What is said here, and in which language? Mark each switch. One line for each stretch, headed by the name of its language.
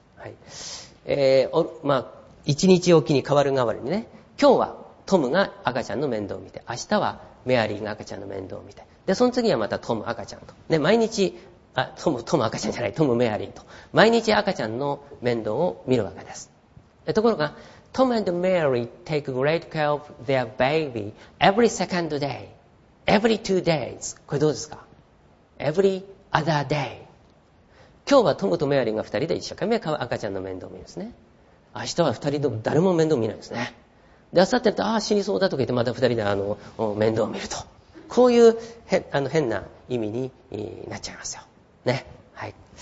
Japanese: はい、まあ、一日おきに変わる代わりにね、今日はトムが赤ちゃんの面倒を見て、明日はメアリーが赤ちゃんの面倒を見て、で、その次はまたトム赤ちゃんと。で、毎日、トム赤ちゃんじゃない、トムメアリーと。毎日赤ちゃんの面倒を見るわけです。でところが、
English: トム and Mary take great care of their baby every second day, every two days.
Japanese: これどうですか ?
English: every other day.
Japanese: 今日はトムとメアリーが二人で一生懸命赤ちゃんの面倒を見るんですね。明日は二人とも誰も面倒を見ないんですね。で、明後日だと、ああ、死にそうだとか言って、また二人で面倒を見ると。こういう変な意味になっちゃいますよ。ね。はい。